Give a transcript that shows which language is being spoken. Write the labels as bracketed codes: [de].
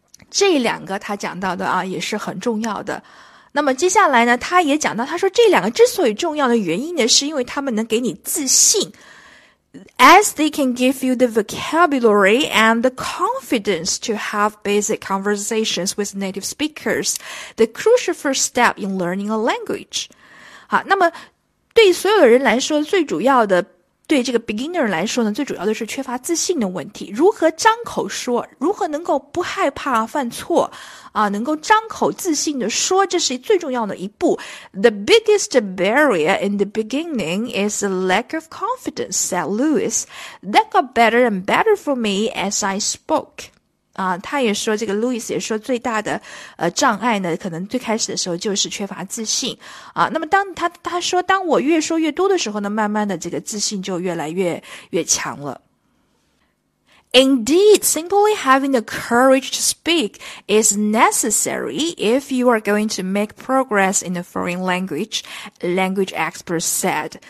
[zh] 这两个他讲到的啊也是很重要的，那么接下来呢，他也讲到，他说这两个之所以重要的原因呢，是因为他们能给你自信， [en] as they can give you the vocabulary and the confidence to have basic conversations with native speakers，the crucial first step in learning a language。 [zh] 好，那么对所有的人来说，最主要的，对这个 beginner 来说呢，最主要的是缺乏自信的问题。如何张口说，如何能够不害怕犯错，啊，能够张口自信的说，这是最重要的一步。 [en] The biggest barrier in the beginning is a lack of confidence, said Lewis. That got better and better for me as I spoke. [zh] 啊，他也说，这个 Louis 也说，最大的障碍呢，可能最开始的时候就是缺乏自信啊。那么当他说，当我越说越多的时候呢，慢慢的这个自信就越来越强了。 [en] Indeed, simply having the courage to speak is necessary if you are going to make progress in a foreign language, language experts said.